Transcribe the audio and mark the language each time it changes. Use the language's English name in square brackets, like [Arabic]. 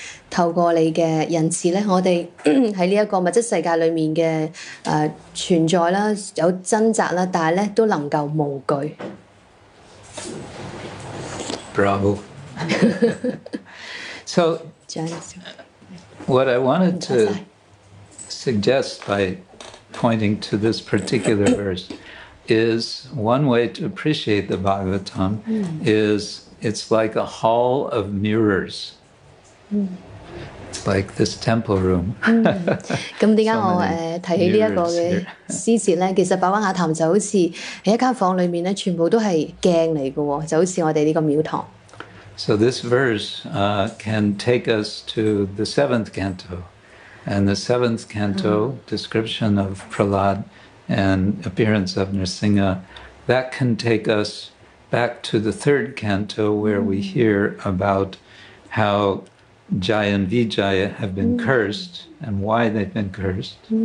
[Cantonese] 透過你嘅仁慈咧，我哋喺呢一個物質世界裏面嘅存在啦，有掙扎啦，但系咧都能夠無懼。 [English] Bravo. So, what I wanted to suggest by pointing to this particular verse is one way to appreciate the Bhagavatam is it's like a hall of mirrors. It's like this temple room. So many mirrors here. [Cantonese] 其實《白瓦瓦譚》就好似喺一間房裏面全部都係鏡嚟嘅喎，就好似我哋呢個廟堂。 [English] So this verse can take us to the seventh canto. And the seventh canto, description of Prahlad and appearance of Narsingha, that can take us back to the third canto where we hear about how Jaya and Vijaya have been cursed and why they've been cursed.